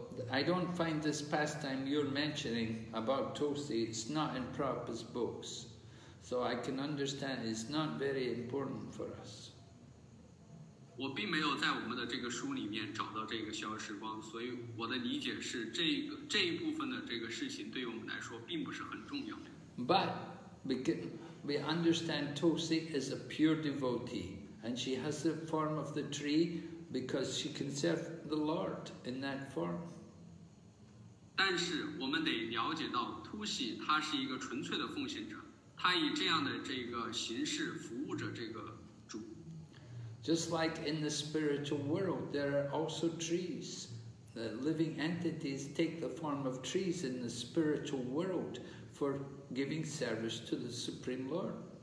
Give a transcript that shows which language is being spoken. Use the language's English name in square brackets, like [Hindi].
[English] I don't find this pastime you're mentioning about Tulsi, it's not in Prabhupada's books. So I can understand it's not very important for us. [Chinese] 我并没有在我们的这个书里面找到这个逍遥时光，所以我的理解是这一部分的这个事情对于我们来说并不是很重要。 [English] But we understand Tulsi is a pure devotee. And she has the form of the tree because she can serve the Lord in that form. [Chinese] 但是我们得了解到，Tulsi她是一个纯粹的奉献者，她以这样的这个形式服务着这个主。 [English] Just like in the spiritual world, there are also trees. The living entities take the form of trees in the spiritual world for giving service to the Supreme Lord.